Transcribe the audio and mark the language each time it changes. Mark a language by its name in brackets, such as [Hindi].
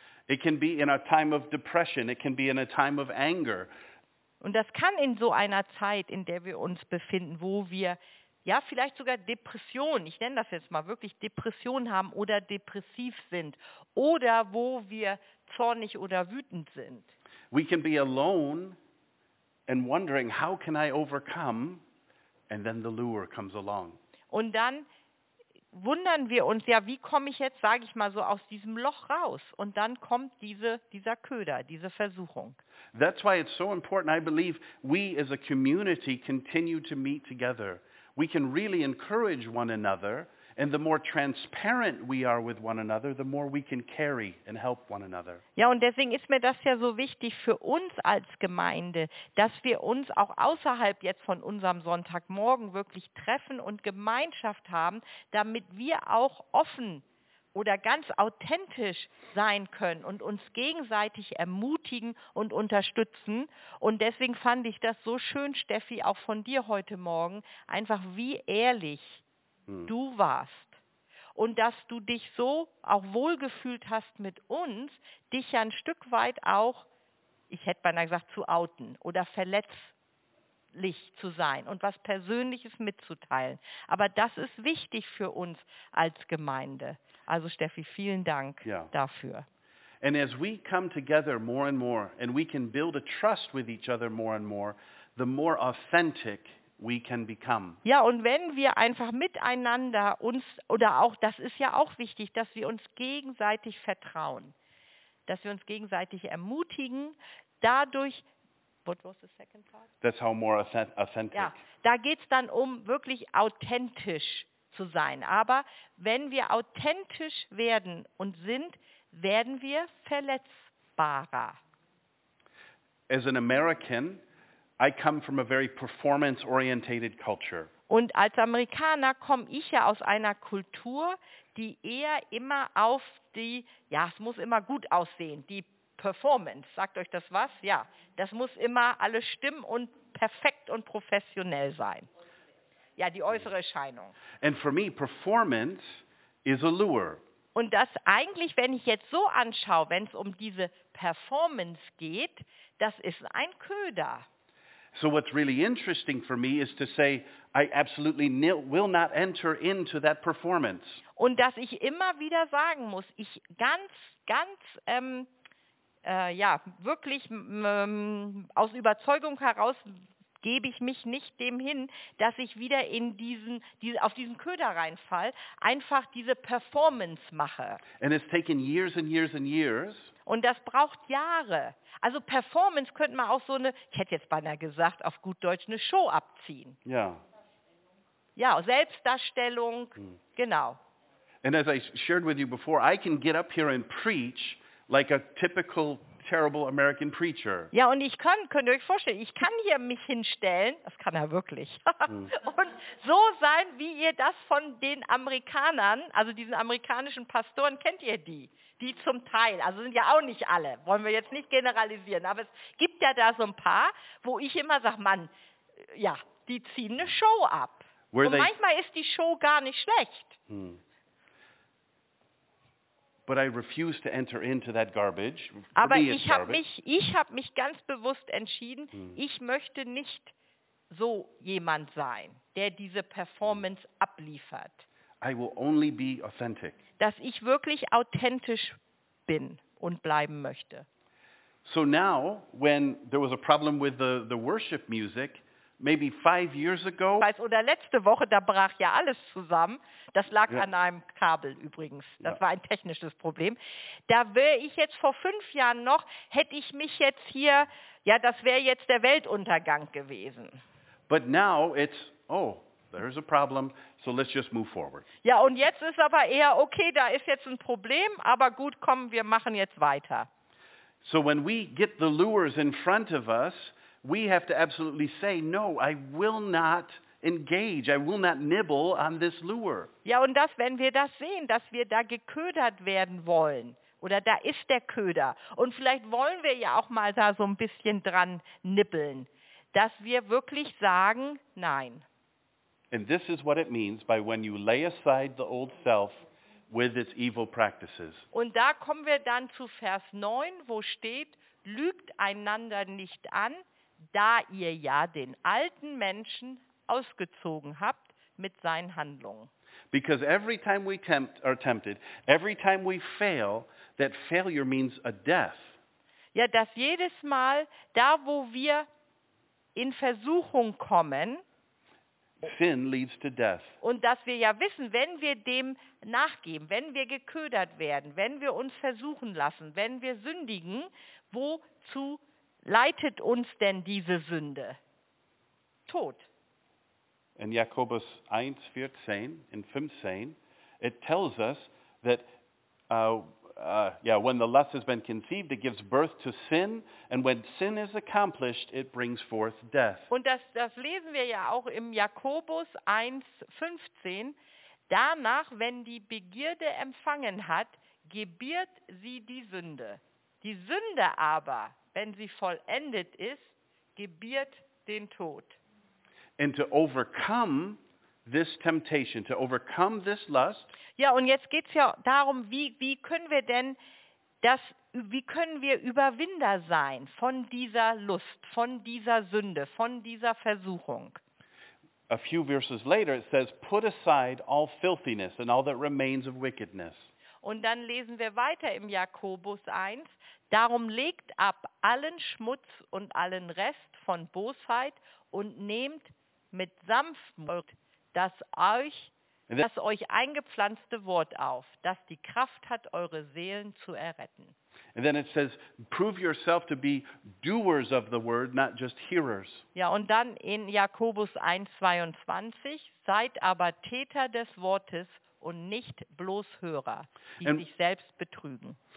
[English] It can be in a time of depression, it can be in a time of anger. [German] Und das kann in so einer Zeit, in der wir uns befinden, wo wir ja vielleicht sogar Depression, ich nenne das jetzt mal wirklich Depression haben oder depressiv sind oder wo wir zornig oder wütend sind. [English] We can be alone and wondering, how can I overcome, and then the lure comes along. [German] Und dann wundern wir uns, ja, wie komme ich jetzt, sage ich mal so, aus diesem Loch raus? Und dann kommt dieser Köder, diese Versuchung. [English] That's why it's so important. I believe we as a community continue to meet together. We can really encourage one another. And the more transparent we are with one another, the more we can carry and help one another. [German] Ja, und deswegen ist mir das ja so wichtig für uns als Gemeinde, dass wir uns auch außerhalb jetzt von unserem Sonntagmorgen wirklich treffen und Gemeinschaft haben, damit wir auch offen oder ganz authentisch sein können und uns gegenseitig ermutigen und unterstützen. Und deswegen fand ich das so schön, Steffi, auch von dir heute Morgen, einfach wie ehrlich du warst und dass du dich so auch wohlgefühlt hast mit uns, dich ja ein Stück weit auch, ich hätte beinahe gesagt, zu outen oder verletzlich zu sein und was Persönliches mitzuteilen. Aber das ist wichtig für uns als Gemeinde. Also Steffi, vielen Dank dafür. [English] And as we come together more and more and we can build a trust with each other more and more, the more authentic we can become. [German] Ja, und wenn wir einfach miteinander uns, oder auch, das ist ja auch wichtig, dass wir uns gegenseitig vertrauen, dass wir uns gegenseitig ermutigen, dadurch, [English] what was the second part? That's how more authentic. [German] Ja, da geht es dann um, wirklich authentisch zu sein. Aber wenn wir authentisch werden und sind, werden wir verletzbarer. [English] As an American, I come from a very performance-oriented culture. [German] Und als Amerikaner komme ich ja aus einer Kultur, die eher immer auf die, ja, es muss immer gut aussehen, die Performance, sagt euch das was? Ja, das muss immer alles stimmen und perfekt und professionell sein. Ja, die äußere Erscheinung. [English] And for me, performance is a lure. [German] Und das eigentlich, wenn ich jetzt so anschaue, wenn es um diese Performance geht, das ist ein Köder. [English] So what's really interesting for me is to say I absolutely will not enter into that performance. [German] Und dass ich immer wieder sagen muss, ich ganz, wirklich aus Überzeugung heraus gebe ich mich nicht dem hin, dass ich wieder in diesen Köder reinfall, einfach diese Performance mache. [English] And it's taken years and years and years. [German] Und das braucht Jahre. Also Performance könnte man auch so eine, ich hätte jetzt beinahe gesagt, auf gut Deutsch eine Show abziehen. Ja. Ja, Selbstdarstellung, genau. [English] And as I shared with you before, I can get up here and preach like a typical terrible American preacher. [German] Ja, und ich kann, könnt ihr euch vorstellen, ich kann hier mich hinstellen, das kann er wirklich, und so sein, wie ihr das von den Amerikanern, also diesen amerikanischen Pastoren, kennt ihr die? Die zum Teil, also sind ja auch nicht alle, wollen wir jetzt nicht generalisieren, aber es gibt ja da so ein paar, wo ich immer sage, Mann, ja, die ziehen eine Show ab. Where und manchmal ist die Show gar nicht schlecht. [English] But I refuse to enter into that garbage. [German] Aber ich habe mich ganz bewusst entschieden, ich möchte nicht so jemand sein, der diese Performance abliefert. [English] I will only be authentic. [German] Dass ich wirklich authentisch bin und bleiben möchte. [English] So now, when there was a problem with the worship music, maybe 5 years ago. [German] Oder letzte Woche, da brach ja alles zusammen. Das lag an einem Kabel übrigens. Das war ein technisches Problem. Da wäre ich jetzt vor 5 Jahren noch, hätte ich mich jetzt hier, ja, das wäre jetzt der Weltuntergang gewesen. [English] But now it's, oh, there's a problem, so let's just move forward. [German] Ja, und jetzt ist aber eher, okay, da ist jetzt ein Problem, aber gut, komm, wir machen jetzt weiter. [English] So when we get the lures in front of us, we have to absolutely say, no, I will not engage, I will not nibble on this lure. [German] Ja, und das, wenn wir das sehen, dass wir da geködert werden wollen, oder da ist der Köder, und vielleicht wollen wir ja auch mal da so ein bisschen dran nibbeln, dass wir wirklich sagen, nein. [English] And this is what it means by when you lay aside the old self with its evil practices. [German] Und da kommen wir dann zu Vers 9, wo steht, lügt einander nicht an, da ihr ja den alten Menschen ausgezogen habt mit seinen Handlungen. [English] Because every time we are tempted, every time we fail, that failure means a death. [German] Ja, dass jedes Mal, da wo wir in Versuchung kommen [English] Sin leads to death. [German] Und dass wir ja wissen, wenn wir dem nachgeben, wenn wir geködert werden, wenn wir uns versuchen lassen, wenn wir sündigen, wozu leitet uns denn diese Sünde? Tod. [English] In Jakobus 1, 14, in 15, it tells us that when the lust has been conceived, it gives birth to sin, and when sin is accomplished, it brings forth death. [German] Und das lesen wir ja auch im Jakobus 1, 15. Danach, wenn die Begierde empfangen hat, gebiert sie die Sünde. Die Sünde aber, wenn sie vollendet ist, gebiert den Tod. [English] And to overcome this temptation, to overcome this lust. [German] Ja, und jetzt geht's ja darum, wie können wir denn das, wie können wir Überwinder sein von dieser Lust, von dieser Sünde, von dieser Versuchung? [English] A few verses later it says, put aside all filthiness and all that remains of wickedness. [German] Und dann lesen wir weiter im Jakobus 1, darum legt ab allen Schmutz und allen Rest von Bosheit und nehmt mit Sanftmut das euch eingepflanzte Wort auf, das die Kraft hat, eure Seelen zu erretten. [English] And then it says, prove yourself to be doers of the word, not just hearers. [German] Ja, und dann in Jakobus 1,22, seid aber Täter des Wortes und nicht bloß Hörer, die sich selbst betrügen.